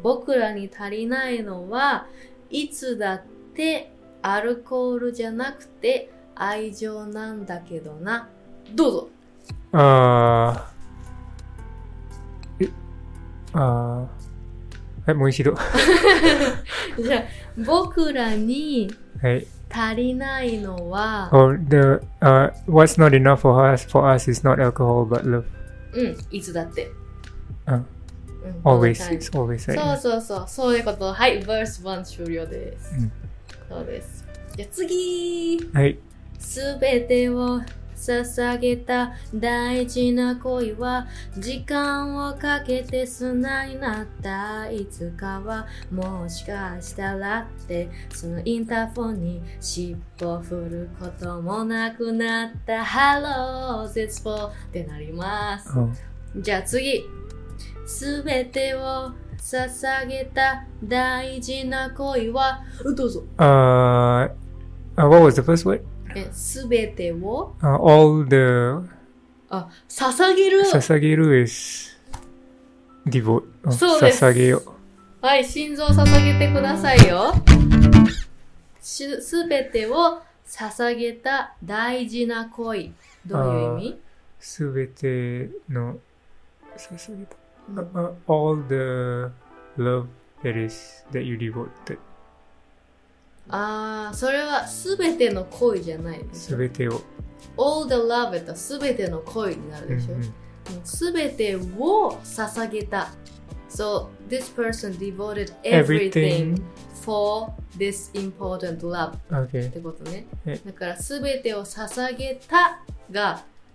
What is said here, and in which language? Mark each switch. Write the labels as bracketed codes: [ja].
[ja] 僕らに足りないのは、いつだってアルコールじゃなくて愛情なんだけどな。どうぞ。はい、もう一度。じゃあ、僕らに足りないのは、はい、 [en] what's not enough for us is not alcohol but love. [ja] うん、いつだって。 [en] Always, it's always like that. [ja] そうそうそう、そういうこと。はい、 [en] verse 1 [ja] 終了です、うん。そうです。じゃあ次、はい、全てを捧げた大事な恋は時間をかけて砂になったいつかはもしかしたらってそのインターフォンに尻尾振ることもなくなった [en] Hello, it's for [ja] ってなります、うん、じゃあ次すべてを捧げた大事な恋は、どうぞ。 [en] What was the first word? [ja] すべてを。 [en] All the... [ja] 捧げる。 [en] 捧げる is... devote. [ja] そうです。捧げよ。はい、心臓を捧げてくださいよ。すべてを捧げた大事な恋。どういう意味？すべての捧げた。 [en] All the love that is that you devoted. [ja] ああ、それはすべての恋じゃないです。すべてを。 [en] All the love [ja] とすべての恋になるでしょ。すべてを捧げた。 [en] So this person devoted everything, for this important love. Okay. [ja] ってことね。だからすべてを捧げたが。